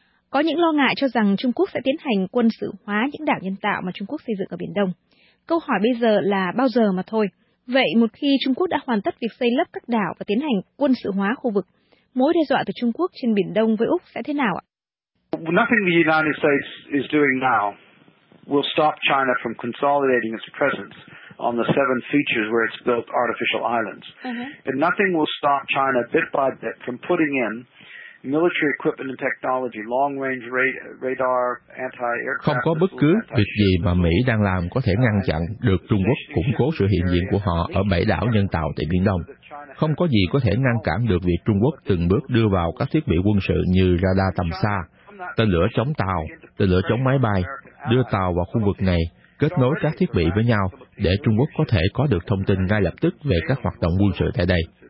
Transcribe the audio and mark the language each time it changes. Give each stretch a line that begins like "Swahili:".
Vietnamese: Có những lo ngại cho rằng Trung Quốc sẽ tiến hành quân sự hóa những đảo nhân tạo mà Trung Quốc xây dựng ở Biển Đông. Câu hỏi bây giờ là bao giờ mà thôi. Vậy một khi Trung Quốc đã hoàn tất việc xây lấp các đảo và tiến hành quân sự hóa khu vực, mối đe dọa từ Trung Quốc trên Biển Đông với Úc sẽ thế nào ạ?
English: Nothing the United States is doing now will stop China from consolidating its presence on the seven features where it's built artificial islands. And nothing will stop China bit by bit from putting in military equipment and technology, long-range radar, anti-aircraft.
Vietnamese: Không có bất cứ việc gì mà Mỹ đang làm có thể ngăn chặn được Trung Quốc củng cố sự hiện diện của họ ở bảy đảo nhân tạo tại Biển Đông. Không có gì có thể ngăn cản được việc Trung Quốc từng bước đưa vào các thiết bị quân sự như radar tầm xa, tên lửa chống tàu, tên lửa chống máy bay, đưa tàu vào khu vực này, kết nối các thiết bị với nhau để Trung Quốc có thể có được thông tin ngay lập tức về các hoạt động quân sự tại đây.